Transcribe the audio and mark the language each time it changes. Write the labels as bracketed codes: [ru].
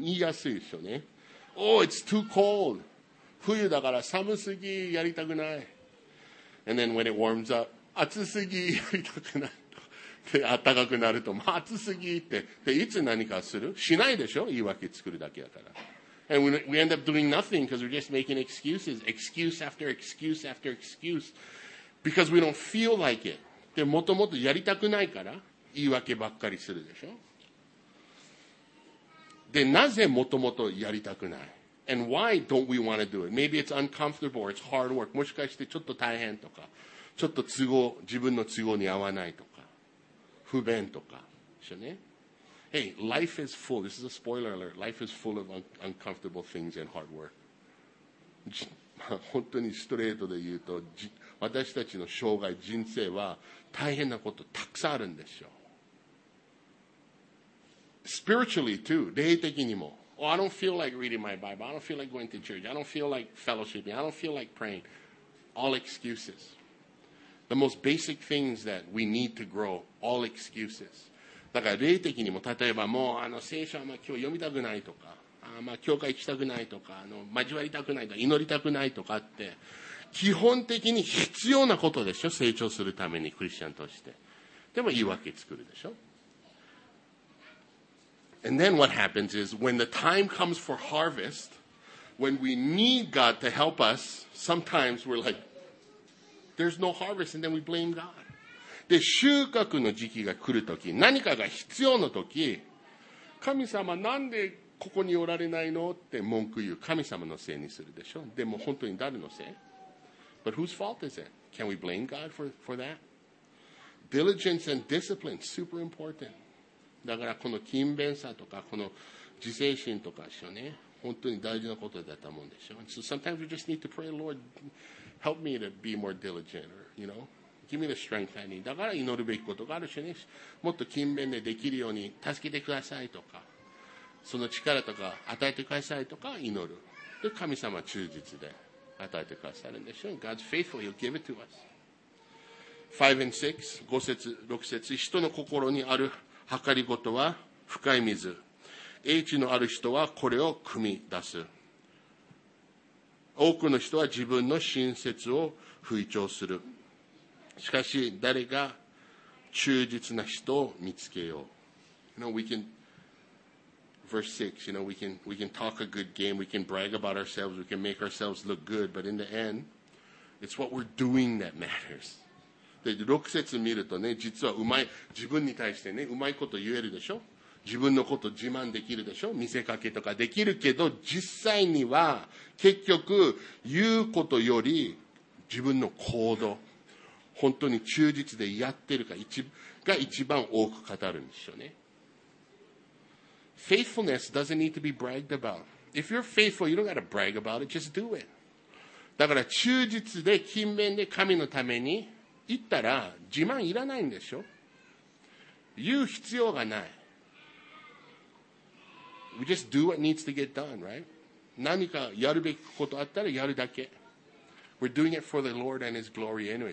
[ja] 言いやすいでしょうね。 [en] Oh, it's too cold. [ja] 冬だから寒すぎやりたくない。 [en] And then when it warms up, [ja] 暑すぎやりたくない。で、暖かくなると、まあ、暑すぎって。で、いつ何かする?しないでしょ? 言い訳作るだけだから。 [en] And we end up doing nothing because we're just making excuses. Excuse after excuse after excuse. Because we don't feel like it. [ja] で、もともとやりたくないから言い訳ばっかりするでしょ? で、なぜもともとやりたくない? [en] And why don't we want to do it? Maybe it's uncomfortable or it's hard work. [ja] もしかしてちょっと大変とか、ちょっと都合、自分の都合に合わないとか、不便とか、でしょね。 [en] Hey, life is full. This is a spoiler alert. Life is full of uncomfortable things and hard work. [ja] 本当にストレートで言うと、私たちの生涯、人生は大変なことたくさんあるんですよ。 [en] Spiritually too, [ja] 霊的にも。 [en] Oh, I don't feel like reading my Bible. I don't feel like going to church. I don't feel like fellowshipping. I don't feel like praying. All excuses. The most basic things that we need to grow, all excuses. [ja] だから霊的にも、例えばもうあの聖書はまあ今日読みたくないとか、あまあ教会行きたくないとか、あの交わりたくないとか、祈りたくないとかって、基本的に必要なことでしょ、成長するためにクリスチャンとして。でも言い訳作るでしょ。 [en] And then what happens is, when the time comes for harvest, when we need God to help us, sometimes we're like, there's no harvest, and then we blame God. [ja] で収穫の時期が来るとき、何かが必要のとき、神様なんでここにおられないのって文句言う。神様のせいにするでしょ。でも本当に誰のせい [en] ？But whose fault is it? Can we blame God for that? Diligence and discipline super important. [ja] だからこの勤勉さとかこの自制心とかでしょね。本当に大事なことだと思うんでしょ。 [en] So sometimes we just need to pray, Lord, help me to be more diligent, or you know. Give me the strength I need. [ja] だから祈るべきことがあるしね。もっと勤勉でできるように助けてくださいとか、その力とか与えてくださいとか祈る。で、神様は忠実で与えてくださるんでしょう。 [en] God's faithful, He'll give it to us. [ja] 5 and 6, 5節、6節、人の心にある計りごとは深い水。英知のある人はこれを汲み出す。多くの人は自分の親切を吹聴する。しかし誰が忠実な人を見つけよう。 [en] You know, we can, verse 6, you know, we can talk a good game, we can brag about ourselves, we can make ourselves look good, but in the end, it's what we're doing that matters. [ja] で、6節見るとね、実はうまい、自分に対してね、うまいこと言えるでしょ。自分のこと自慢できるでしょ。見せかけとかできるけど、実際には結局言うことより自分の行動。本当に忠実でやってるかが一番多く語るんでしょうね。 [en] Faithfulness doesn't need to be bragged about. If you're faithful, you don't got to brag about it. Just do it. [ja] だから忠実で勤勉で神のために言ったら自慢いらないんでしょ。言う必要がない。 [en] We just do what needs to get done, right? [ja] 何かやるべきことあったらやるだけ。 [en] We're doing it for the Lord and His glory anyway.